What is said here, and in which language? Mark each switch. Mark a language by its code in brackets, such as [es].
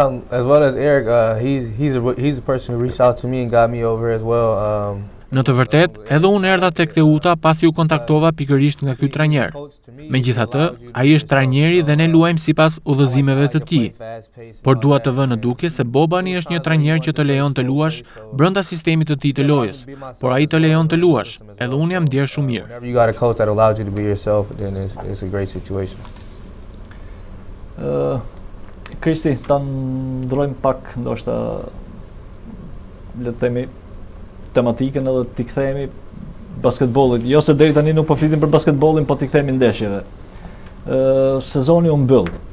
[en] As well as Eric, he's a person who reached out to me and got me over as well. [sq] Në të vërtet, edhe unë erdha tek Teuta pasi u kontaktova pikërisht nga ky trajner. Megjithatë, ai është trajneri dhe ne luajmë sipas udhëzimeve të tij. Por dua të vënë në dukje se Bobani është një trajner që të lejon të luash brenda sistemit të tij të lojës, por ai të lejon të luash, edhe unë jam ndjer shumë mirë. [en] You got a coach that allows you to be yourself, then it's a great situation. [sq] Kristi, ta ndrojmë pak ndoshta le të themi tematikën edhe t'i kthehemi basketbollit. Jo se deri tani nuk po flitim për basketbollin, po t'i kthehemi ndeshjeve. Sezoni u mbyll.